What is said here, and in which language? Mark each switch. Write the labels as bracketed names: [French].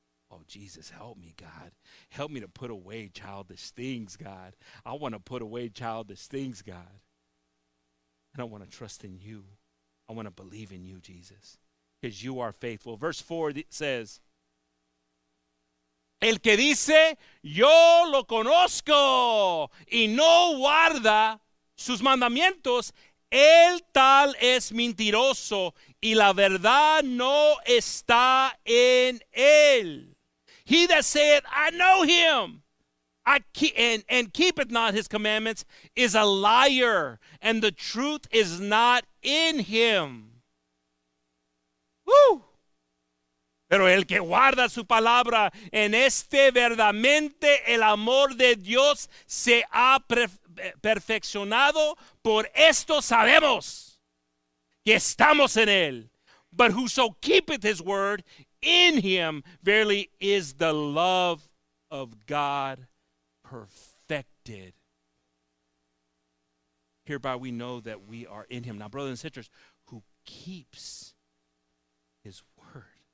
[English] Oh, Jesus, help me, God. Help me to put away childish things, God. I want to put away childish things, God. And I want to trust in you. I want to believe in you, Jesus, because you are faithful. Verse 4 says, [Spanish] el que dice, yo lo conozco, y no guarda sus mandamientos, el tal es mentiroso, y la verdad no está en él. [English] He that saith, I know him, and keepeth not his commandments, is a liar, and the truth is not in him. Woo! [Spanish] Pero el que guarda su palabra, en este verdaderamente el amor de Dios se ha perfeccionado. Por esto sabemos que estamos en él. [English] But whoso keepeth his word, in him verily is the love of God perfected. Hereby we know that we are in him. Now, brothers and sisters, who keeps his word.